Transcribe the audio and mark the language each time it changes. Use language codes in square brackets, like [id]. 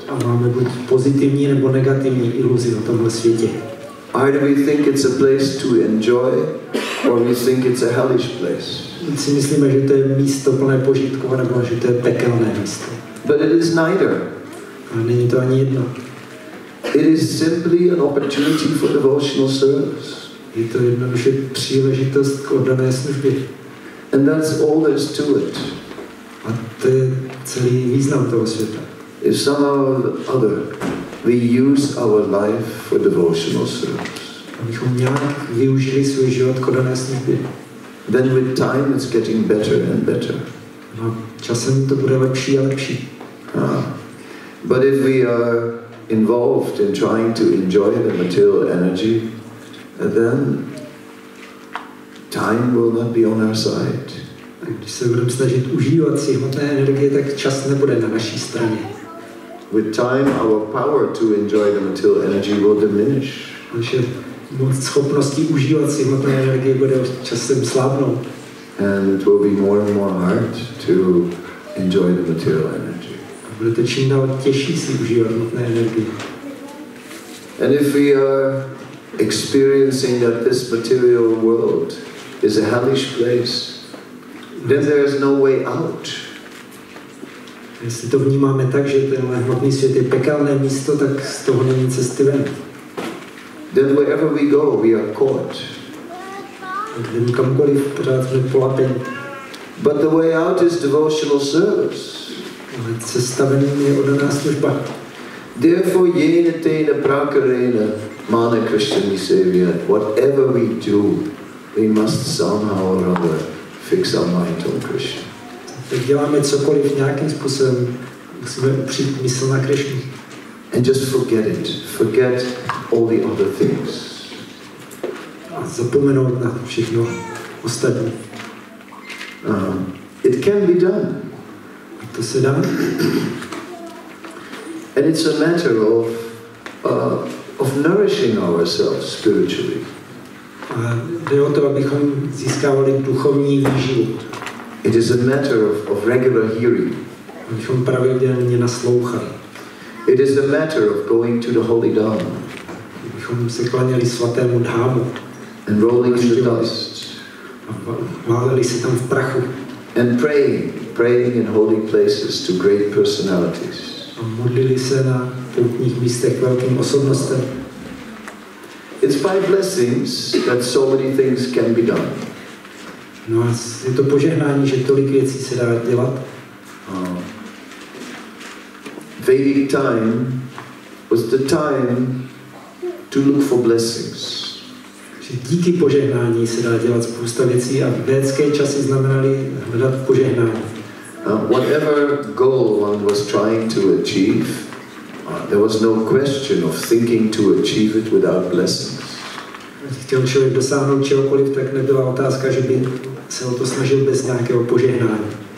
[cs] A máme buď pozitivní nebo negativní iluzi o tomhle světě. [en] Either we think it's a place to enjoy, or we think it's a hellish place. [cs] Si myslíme, že to je místo plné požitku, nebo že to je pekelné místo. [en] But it is neither. [cs] Ale není to ani jedno. [en] It is simply an opportunity for devotional service. [cs] Je to jednoduše příležitost k oddané službě. [en] And that's all there is to it. [cs] A to je celý význam toho světa. [en] If somehow or other we use our life for devotional service, [cs] abychom nějak využili svůj život k oddané službě, [en] then with time it's getting better and better. [cs] No, časem to bude lepší a lepší. [en] But if we are involved in trying to enjoy the material energy, and then time will not be on our side. [cs] Když se budeme snažit užívat si hmotné energie, tak čas nebude na naší straně. [en] With time, our power to enjoy the material energy will diminish. [cs] Naše schopnosti užívat si hmotné energie bude časem slábnout. [en] And it will be more and more hard to enjoy the material energy. [cs] Bude to čím dál těžší si užívat hmotné energie. [en] And if we are experiencing that this material world is a hellish place, then there is no way out. [cs] Jestli to vnímáme tak, že tenhle hmotný svět je pekelné místo, tak z toho není cesty ven. [en] Then wherever we go, we are caught. [cs] Kdyby kamkoliv pořád jsme polapeni. [en] But the way out is devotional service. [cs] Ale cesta ven je oddaná služba. [en] Therefore, [sa] jene tejna prakarena, mana krishtami sevya, [en] whatever we do, we must somehow or other fix our mind on Krishna. [cs] Tak děláme cokoliv nějakým způsobem, musíme upřít mysl na Krishnu. [en] And just forget it. Forget all the other things. [cs] A zapomenout na všechno ostatní. [en] It can be done. [cs] A to se dá. [en] And it's a matter of nourishing ourselves spiritually. [cs] A jde o to, abychom získávali duchovní výživu. [en] It is a matter of regular hearing. [cs] Abychom pravidelně naslouchali. [en] It is a matter of going to the holy dharma. [cs] Abychom se klaněli svatému dhámu. [en] And rolling in the dust. [cs] Válili se tam v prachu. [en] And praying in holy places to great personalities. [cs] A modlili se na poutních místech velkým osobnostem. [en] It's by blessings that so many things can be done. [cs] No a je to požehnání, že tolik věcí se dá dělat. [en] Vedic time was the time to look for blessings. [cs] Že díky požehnání se dá dělat spousta věcí a vědecké časy znamenaly hledat požehnání. [en] Whatever goal one was trying to achieve, there was no question of thinking to achieve it without blessings. [cs] Chtěl člověk dosáhnout čehokoliv, tak nebyla otázka, že by se o to snažil bez nějakého požehnání.